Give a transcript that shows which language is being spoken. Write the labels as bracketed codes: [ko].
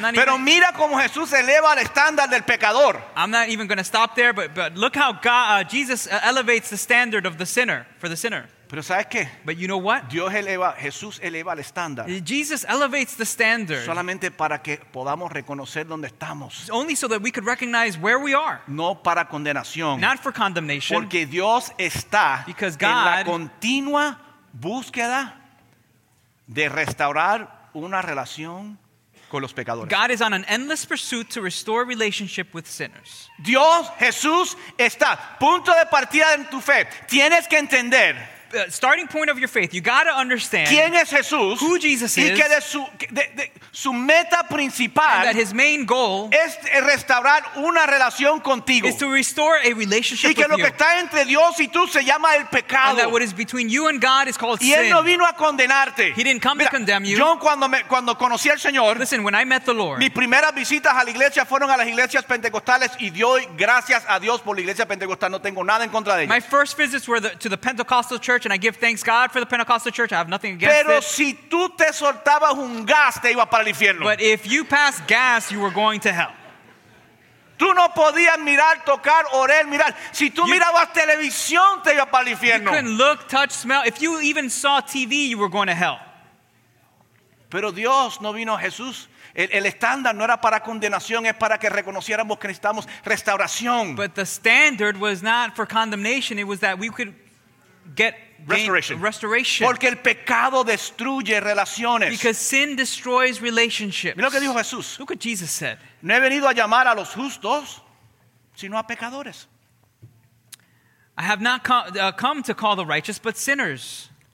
[es] Pero mira cómo Jesús eleva el estándar del pecador. [en] I'm not even going to stop there, but look how God, Jesus elevates the standard of the sinner, for the sinner. [es] Pero ¿sabes qué? [en] But you know what? [es] Dios eleva, Jesús eleva el estándar. [en] Jesus elevates the standard. [es] Solamente para que podamos reconocer dónde estamos. [en] Only so that we could recognize where we are. [es] No para condenación. [en] Not for condemnation. [es] Porque Dios está [en] because God [es] en la continua búsqueda de restaurar una relación con los pecadores. [en] God is on an endless pursuit to restore relationship with sinners. [es] Dios, Jesús está. Punto de partida en tu fe. Tienes que entender. [en] Starting point of your faith, you got to understand [es] ¿quién es Jesús? [en] Who Jesus is, [es] y que de su meta principal, [en] and that his main goal [es] es restaurar una relación contigo, [en] is to restore a relationship [es] y que [en] with [es] lo [en] you. [es] Que está entre Dios y tú se llama el pecado, [en] and that what is between you and God is called [es] y [en] sin. [es] Él no vino a condenarte. [en] He didn't come [es] Mira, [en] to condemn you. [es] Yo cuando conocí al Señor, [en] listen, when I met the Lord, [es] mis primeras visitas a la iglesia fueron a las iglesias pentecostales, y doy gracias a Dios por la iglesia pentecostal. No tengo nada en contra de ellas. [en] My first visits were to the Pentecostal church, and I give thanks God for the Pentecostal church. I have nothing against [es] pero [en] it. [es] Si tú te soltabas un gas, te ibas para el infierno. [en] But if you passed gas, you were going to hell. [es] Tú no podías mirar, tocar, orar, mirar. Si tú mirabas televisión, te ibas para el infierno. [en] You couldn't look, touch, smell. If you even saw TV, you were going to hell. [es] Pero Dios no vino a Jesús. El estándar no era para condenación, es para que reconociéramos que necesitamos restauración. [en] But the standard was not for condemnation. It was that we could get restoration. [es] Porque el pecado destruye relaciones. [en] Because sin destroys relationships. [es] Mira lo que dijo Jesús. [en] Look what Jesus said. [es] No he venido a llamar a los justos, sino a pecadores. [en] I have not come to call the righteous, but sinners.